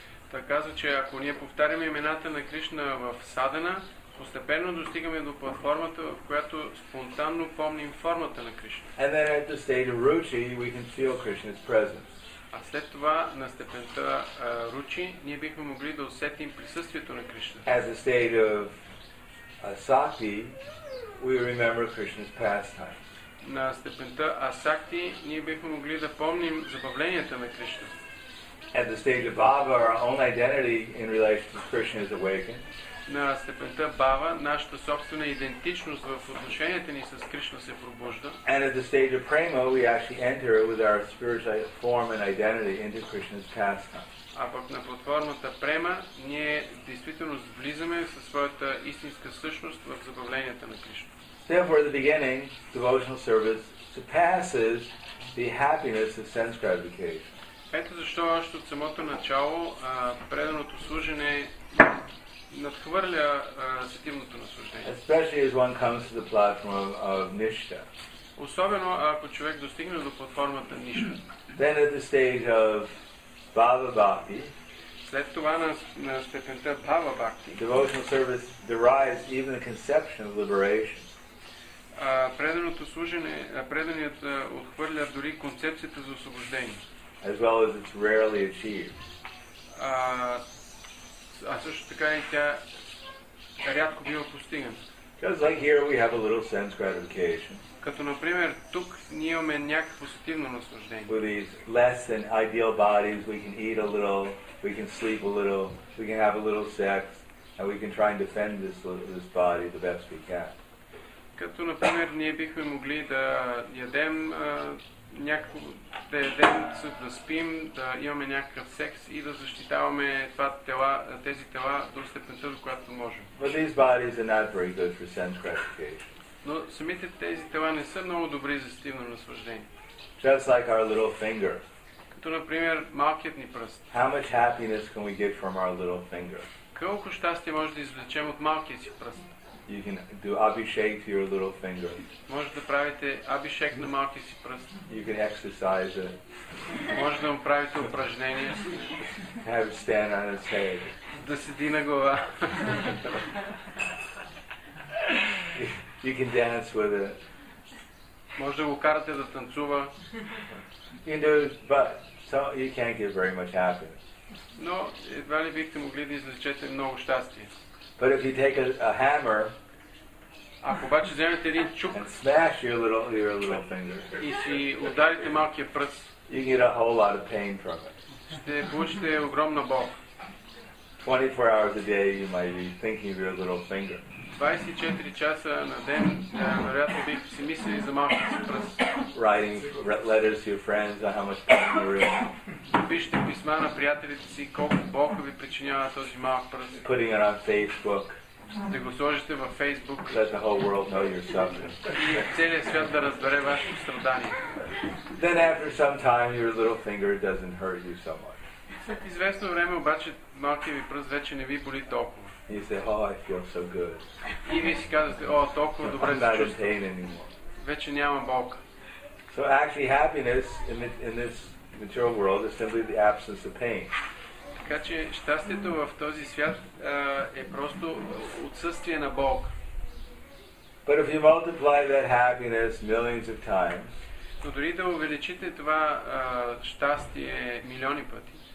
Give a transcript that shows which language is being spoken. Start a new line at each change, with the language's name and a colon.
Bulgarian: Та казва, че ако ние повтаряме имената на Кришна в садана, постепенно достигаме до платформата, в която спонтанно помним формата на Кришна.
English: And then at the state of ruchi, we can feel Krishna's presence.
Bulgarian: А след това на степента ручи ние бихме могли да усетим присъствието на Кришна.
English: As a state of asakti, we remember Krishna's pastime.
Bulgarian: На степента асакти ние бихме могли да помним забавленията на Кришна.
English: At the state of bhava, our own identity in relation to Krishna is awakened.
Bulgarian: На степента бава нашата собствена идентичност в отношенията ни с Кришна се пробужда.
English: And at the stage of prema, we actually enter with our spiritual form and identity into Krishna's pastime.
Bulgarian: А пък на платформата према ние действително влизаме със своята истинска същност в забавленията на Кришна.
English: Therefore, at the beginning, devotional service surpasses the happiness of sense gratification.
Bulgarian: Ето защо още от самото начало преданото служене надхвърля сетивното наслаждение.
English: Especially as one comes to the platform of nishtha.
Bulgarian: Особено ако човек достигне до платформата ништа.
English: Then at the stage of bhava bhakti.
Bulgarian: След това на степента bhava bhakti.
English: Devotional service derives even the conception of liberation.
Bulgarian: Преданото служене, преданият отхвърля дори концепцията за освобождение.
English: As well as it's rarely achieved.
Bulgarian: А също така и тя рядко бива постигана.
English: Just like here we have a little sense gratification.
Bulgarian: Като например тук ние имаме някакво сетивно наслаждение.
English: With these less than ideal bodies we can eat a little, we can sleep a little, we can have a little sex and we can try and defend this body the best we can.
Bulgarian: Като например ние бихме могли да ядем някакво, да едем, да спим, да имаме някакъв секс и да защитаваме това тела, тези тела до степента, до която можем.
English: But these bodies are not very good for sense gratification.
Bulgarian: Но самите тези тела не са много добри за сетивно наслаждение.
English: Just like our little finger.
Bulgarian: Като например малкият ни пръст.
English: How much happiness can we get from our little finger?
Bulgarian: Колко щастие може да извлечем от малкият си пръст?
English: You can do abhishek to your little finger.
Bulgarian: Може да правите абишек на малкия си пръст.
English: You can exercise it.
Bulgarian: Може да му правите упражнение.
English: Have it stand on its head.
Bulgarian: Да седи на глава.
English: You can dance with it.
Bulgarian: Може да го карате да танцува.
English: You can do it, but so you can't get very much happiness.
Bulgarian: Но едва ли бихте могли да извлечете много щастие.
English: But if you take a hammer,
Bulgarian: ако обаче вземете един чук,
English: smash your little finger,
Bulgarian: и си ударите малкия пръст,
English: you get a whole lot of pain from it.
Bulgarian: Ще получите огромна бол.
English: 24 hours a day you might be thinking of your little finger.
Bulgarian: 24 часа на ден, вероятно би си мислили за малкия си пръст.
English: Writing letters to your friends on how much pain you're in.
Bulgarian: Пишете писма на приятелите си колко Бог ви причинява този малък пръст.
English: Putting it on Facebook.
Bulgarian: Да го сложите във Facebook.
English: Let the whole world know your suffering.
Bulgarian: И целият свят да разбере вашето страдание.
English: Then after some time your little finger doesn't hurt you so much.
Bulgarian: След известно време обаче малкият ви пръст вече не ви боли толкова.
English: You say, oh, I feel so good.
Bulgarian: И вие си казвате, о, толкова добре се чувствам. Вече няма болка.
English: So actually happiness in this material world is simply the absence of pain.
Bulgarian: Така че щастието в този свят е просто отсъствие на болка.
English: But if you multiply that happiness millions of times,
Bulgarian: но дори да увеличите това щастие милиони пъти,